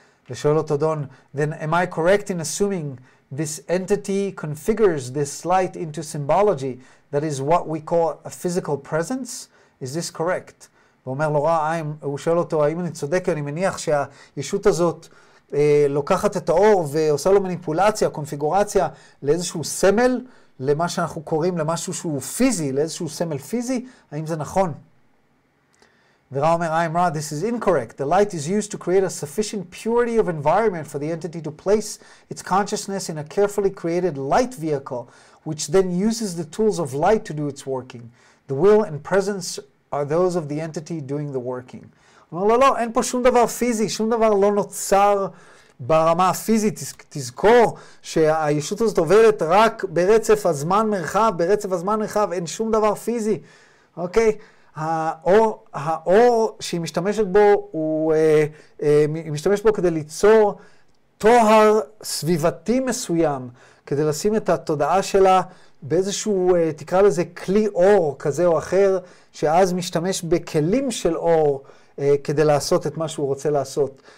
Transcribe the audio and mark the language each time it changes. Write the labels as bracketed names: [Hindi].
[Hebrew] ושואל אותו דון, [English] then am I correct in assuming this entity configures this light into symbology that is what we call a physical presence? Is this correct? [Hebrew] ואומר לו, הוא שואל אותו, האם אני צודק? אני מניח שהישות הזאת לוקחת את האור ועושה לו מניפולציה, קונפיגורציה, לאיזשהו סמל, למה שאנחנו קוראים, למשהו שהוא פיזי, לאיזשהו סמל פיזי, האם זה נכון? ורא אומר, [English] I am Ra, this is incorrect. The light is used to create a sufficient purity of environment for the entity to place its consciousness in a carefully created light vehicle, which then uses the tools of light to do its working. The will and presence are those of the entity doing the working. [Hebrew] אומר, לא, אין פה שום דבר פיזי, שום דבר לא נוצר ברמה הפיזית. תזכור שהישות הזאת עוברת רק ברצף הזמן מרחב, ברצף הזמן מרחב, אין שום דבר פיזי. אוקיי? האור שהיא משתמשת בו, היא משתמשת בו כדי ליצור תוהר סביבתי מסוים, כדי לשים את התודעה שלה באיזשהו, תקרא לזה כלי אור כזה או אחר, שאז משתמש בכלים של אור כדי לעשות את מה שהוא רוצה לעשות.